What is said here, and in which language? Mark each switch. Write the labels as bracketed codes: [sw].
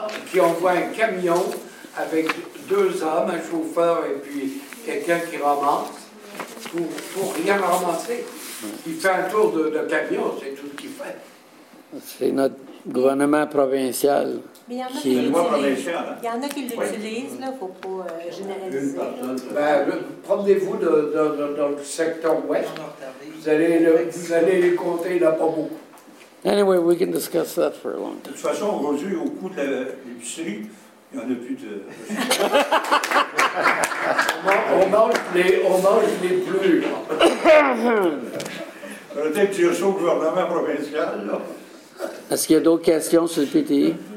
[fr] Qui envoie un camion avec deux hommes, un chauffeur et puis quelqu'un qui ramasse, pour rien ramasser. Il fait un tour de camion, c'est tout ce qu'il fait. C'est notre gouvernement provincial. Mais il y en a qui l'utilisent, là, faut pas généraliser. Ben, promenez-vous dans le secteur ouest, vous allez les compter, il n'y a pas beaucoup. [en] Anyway, we can discuss that for a long time. [fr] De toute façon, aujourd'hui, au coût de l'épicerie, il n'y en a plus de... on mange les plus. Peut-être que tu es au gouvernement provincial, là. Est-ce qu'il y a d'autres questions sur le PTI?